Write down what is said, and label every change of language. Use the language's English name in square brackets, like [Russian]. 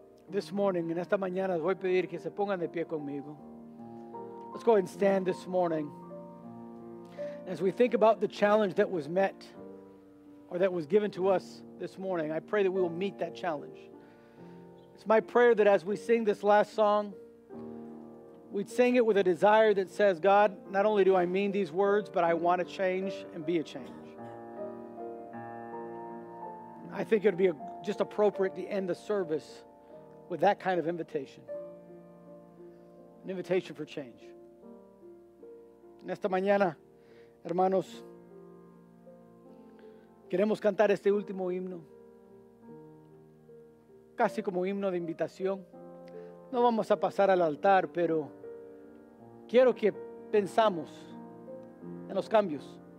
[English] This morning, [Spanish] en esta mañana, voy a pedir que se pongan de pie conmigo. [English] Let's go ahead and stand this morning. As we think about the challenge that was met or that was given to us this morning, I pray that we will meet that challenge. It's my prayer that as we sing this last song, we'd sing it with a desire that says, God, not only do I mean these words, but I want to change and be a change. I think it would be just appropriate to end the service with that kind of invitation. An invitation for change. [Spanish] En esta mañana, hermanos, queremos cantar este último himno. Casi como himno de invitación. No vamos a pasar al altar, pero quiero que pensamos en los cambios.